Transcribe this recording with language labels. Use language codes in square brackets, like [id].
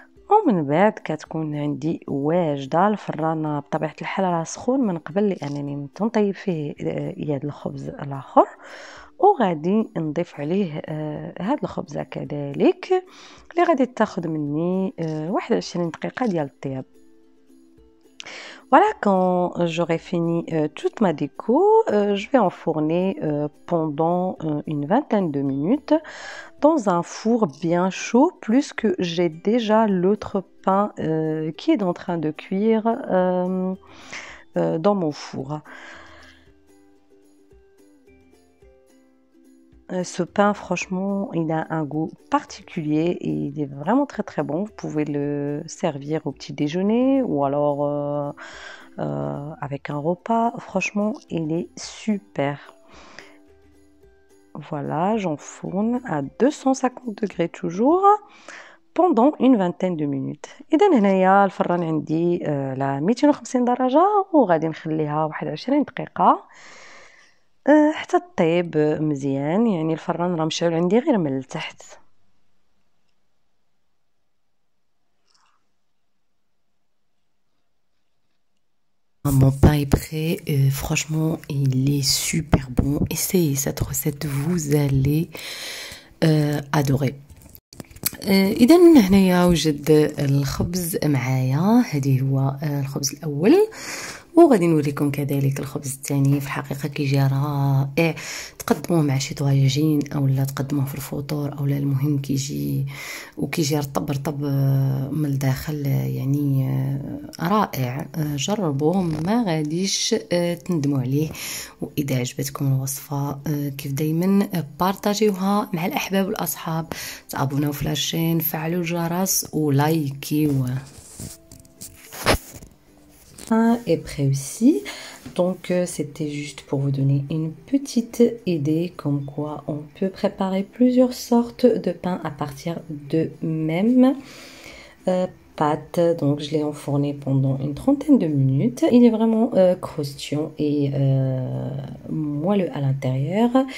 [ar] ومن بعد كتكون عندي واجده الفرانه بطبيعه الحال راه سخون من قبل لانني تنطيب فيه هذا الخبز الاخر، وغادي نضيف عليه هذا الخبز كذلك اللي غادي تاخذ مني 21 دقيقه ديال الطياب. [fr] Voilà, quand j'aurai fini toute ma déco, je vais enfourner pendant une vingtaine de minutes dans un four bien chaud, plus que j'ai déjà l'autre pain qui est en train de cuire dans mon four. Ce pain, franchement, il a un goût particulier et il est vraiment très très bon. Vous pouvez le servir au petit déjeuner ou alors avec un repas. Franchement, il est super. Voilà, j'enfourne à 250 degrés toujours pendant une vingtaine de minutes. Et là, [ar] الفران عندي la 250 درجة وغادي نخليها 21 دقيقة. حتى طيب مزيان، يعني الفران راه مشعل عندي غير من التحت. [fr] Mon pain est prêt. Franchement, il est super bon. Essayez cette recette, vous allez adorer. [ar] إذا هنايا وجد الخبز معايا، هذه هو الخبز الأول، وغادي نوريكم كذلك الخبز الثاني. في الحقيقة كيجي رائع، تقدموه مع شي طواجين أو لا تقدموه في الفطور أو لا، المهم كيجي وكيجي رطب رطب من الداخل، يعني رائع، جربوه ما غاديش تندموا عليه. وإذا عجبتكم الوصفة كيف دايما بارتاجيوها مع الأحباب والأصحاب، تابوناو في لاشين، فعلوا الجرس ولايكيوه. [fr] Est prêt aussi, donc c'était juste pour vous donner une petite idée comme quoi on peut préparer plusieurs sortes de pain à partir de même pâte. Donc je l'ai enfourné pendant une trentaine de minutes. Il est vraiment croustillant et moelleux à l'intérieur.